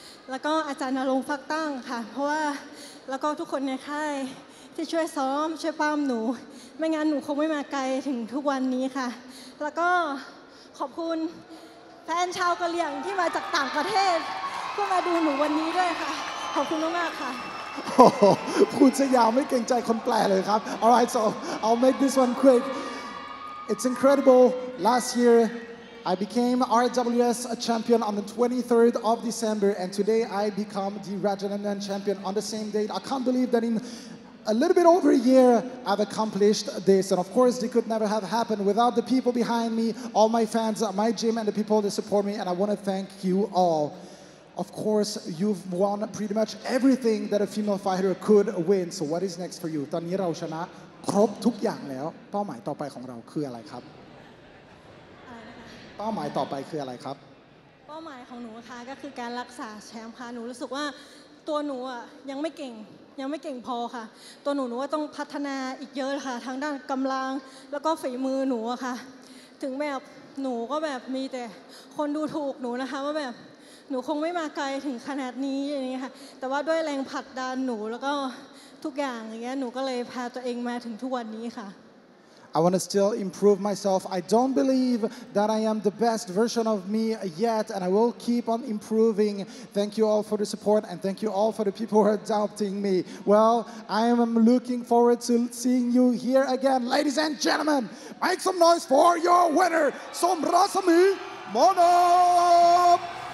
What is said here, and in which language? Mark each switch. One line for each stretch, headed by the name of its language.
Thai: แล้วก็อาจารย์นรงค์ฟักตั้งค่ะเพราะว่าแล้วก็ทุกคนในค่ายที่ช่วยซ้อมช่วยปั้มหนูไม่งั้นหนูคงไม่มาไกลถึงทุกวันนี้ค่ะแล้วก็ขอบคุณแฟนชาวกะเหรี่ยงที่มาจากต่างประเทศเพื่อมาดูหนูวันนี้ด้วยค่ะขอบคุณมากๆค่ะ พูดซะยาวไม่เกรงใจคนแปลเลยครับ
English: All right, so I'll make this one quick. It's incredible. Last year I became RWS champion on the 23rd of December, and today I become the Rajadamnern champion on the same date. I can't believe that in a little bit over a year, I've accomplished this. And of course, it could never have happened without the people behind me, all my fans, my gym, and the people that support me, and I want to thank you all. Of course, you've won pretty much everything that a female fighter could win. So what is next for you?
Thai: ตอนนี้เราชนะครบทุกอย่างแล้วเป้าหมายต่อไปของเราคืออะไรครับเป้าหมายต่อไปคืออะไรครับ เป้าหมายของหนูนะคะก็คือการรักษาแชมป์ค่ะหนูรู้สึกว่าตัวหนูอ่ะยังไม่เก่งยังไม่เก่งพอค่ะตัวหนูว่าต้องพัฒนาอีกเยอะค่ะทางด้านกำลังแล้วก็ฝีมือหนูอะค่ะถึงแบบหนูก็แบบมีแต่คนดูถูกหนูนะคะว่าแบบหนูคงไม่มาไกลถึงขนาดนี้อย่างนี้ค่ะแต่ว่าด้วยแรงผลักดันหนูแล้วก็ทุกอย่างอย่างเงี้ยหนูก็เลยพาตัวเองมาถึงทุกวันนี้ค่ะ
English: I want to still improve myself. I don't believe that I am the best version of me yet, and I will keep on improving. Thank you all for the support, and thank you all for the people who are adopting me. Well, I am looking forward to seeing you here again. Ladies and gentlemen, make some noise for your winner, Somratsamee Monopjee!